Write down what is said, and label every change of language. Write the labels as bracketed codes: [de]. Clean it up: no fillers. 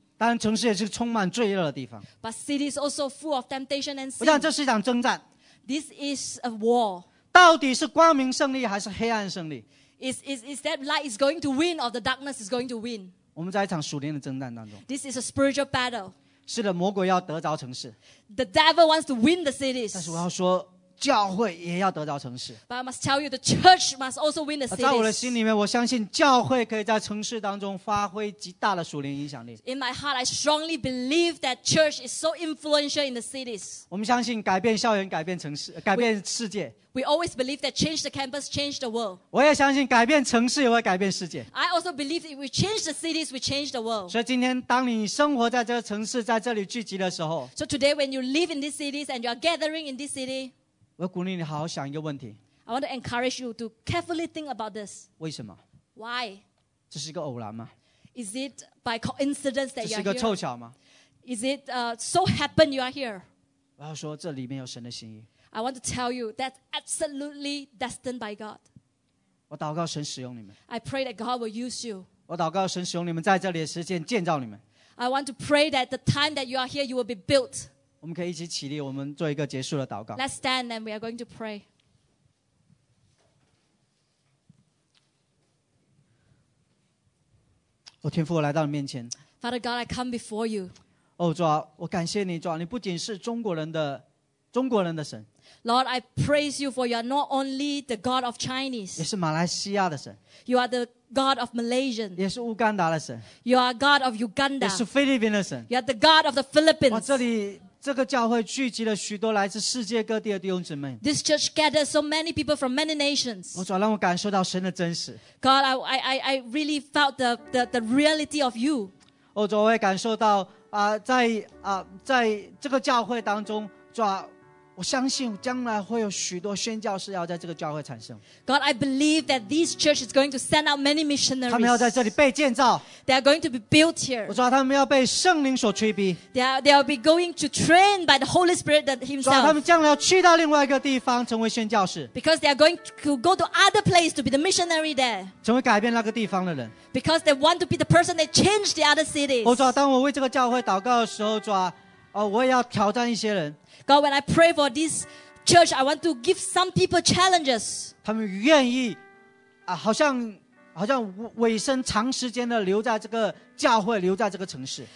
[zh] 当然城市也是充满罪恶的地方. [en] But cities also full of temptation and sin. [zh] 我想这是一场征战. [en] This is a war. [zh] 到底是光明胜利还是黑暗胜利? [en] Is that light is going to win or the darkness is going to win? [zh] 我们在一场属灵的征战当中. [en] This is a spiritual battle. [zh] 是的，魔鬼要得着城市. [en] The devil wants to win the cities. [zh] 但是我要说, 教会也要得到城市. [en] But I must tell you, the church must also win the cities. [zh] 在我的心里面, 我相信教会可以在城市当中发挥极大的属灵影响力. [en] In my heart, I strongly believe that church is so influential in the cities. [zh] 我们相信改变校园、改变城市, 改变世界. [en] We always believe that change the campus, change the world. [zh] 我也相信改变城市也会改变世界. [en] I also believe that if we change the cities, we change the world. [zh] 所以今天当你生活在这个城市, 在这里聚集的时候, [en] so today when you live in these cities and you are gathering in this city, [zh] 我鼓励你好好想一个问题. [en] I want to encourage you to carefully think about this. [zh] 为什么? [en] Why? [zh] 这是一个偶然吗? [en] Is it by coincidence that you are here? [zh] 这是一个凑巧吗? [en] Is it so happen you are here? [zh] 我要说这里面有神的心意. [en] I want to tell you that's absolutely destined by God. [zh] 我祷告神使用你们. [en] I pray that God will use you. [zh] 我祷告神使用你们在这里的时间建造你们. [en] I want to pray that the time that you are here, you will be built. [zh] 我们可以一起起立, 我们做一个结束的祷告。 [en] Let's stand and we are going to pray. [zh] 我天父, 我来到你面前。 [en] Father God, I come before you. [zh] 哦主啊, 我感谢你, 主啊, 你不仅是中国人的, 中国人的神。 [en] Lord, I praise you for you are not only the God of Chinese. [zh] 也是马来西亚的神。 [en] You are the God of Malaysian. [zh] 也是乌干达的神。 [en] You are God of Uganda. [zh] 也是菲律宾的神。 [en] You are the God of the Philippines. [zh] 哇,这里, 这个教会聚集了许多来自世界各地的弟兄姊妹. [en] This church gathers so many people from many nations. [zh] 我主啊, 让我感受到神的真实. [en] God, I really felt the reality of you. [zh] 我主啊, 我也感受到, 在这个教会当中, 主啊, 我相信将来会有许多宣教士要在这个教会产生. [en] God, I believe that this church is going to send out many missionaries. [zh] 他们要在这里被建造. [en] They are going to be built here. [zh] 我说, 他们要被圣灵所吹逼. [en] They'll be going to train by the Holy Spirit himself. [zh] 说, 他们将来要去到另外一个地方成为宣教士. [en] Because they are going to go to other place to be the missionary there. [zh] 成为改变那个地方的人. [en] Because they want to be the person that changed the other cities. [zh] 我说, 当我为这个教会祷告的时候, 说, 我也要挑战一些人. [en] God, when I pray for this church, I want to give some people challenges. [zh] 他们愿意, 好像委身长时间的留在这个教会, 留在这个城市。